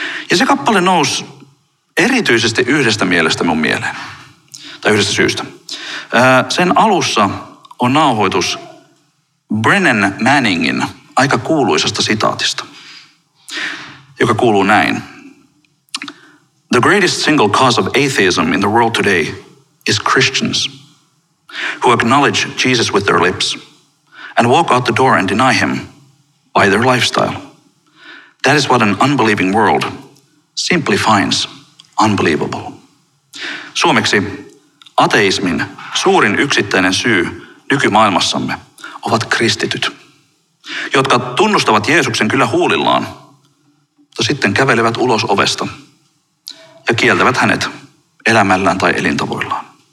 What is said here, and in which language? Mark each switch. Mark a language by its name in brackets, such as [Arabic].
[Finnish] Ja se kappale nousi erityisesti yhdestä mielestä mun mieleen. Tai yhdestä syystä. Sen alussa on nauhoitus Brennan Manningin aika kuuluisasta sitaatista, joka kuuluu näin. [English] The greatest single cause of atheism in the world today is Christians who acknowledge Jesus with their lips and walk out the door and deny him by their lifestyle. That is what an unbelieving world simply finds unbelievable. [Finnish] Suomeksi ateismin suurin yksittäinen syy nykymaailmassamme ovat kristityt, jotka tunnustavat Jeesuksen kyllä huulillaan, mutta sitten kävelevät ulos ovesta ja kieltävät hänet elämällään tai elintavoillaan.